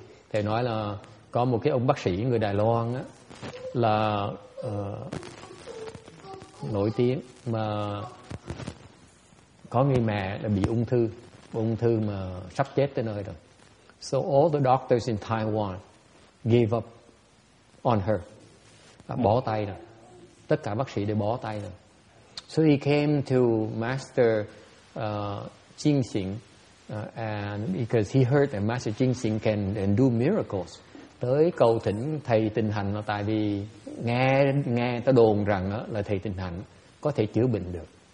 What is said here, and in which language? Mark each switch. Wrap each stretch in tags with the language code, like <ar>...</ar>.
<vi>Thầy nói là có một cái ông bác sĩ người Đài Loan á, là nổi tiếng, mà có người mẹ là bị ung thư mà sắp chết tới nơi rồi.</vi> <en>So all the doctors in Taiwan gave up on her.</en> <vi>Bỏ tay rồi. Tất cả bác sĩ đều bỏ tay rồi.</vi> <en>So he came to Master Jing Xing, and because he heard that Master Jing Xing can and do miracles.</en> <vi>Tới cầu thỉnh thầy Tịnh Hạnh, là tại vì nghe ta đồn rằng là thầy Tịnh Hạnh có thể chữa bệnh được.</vi>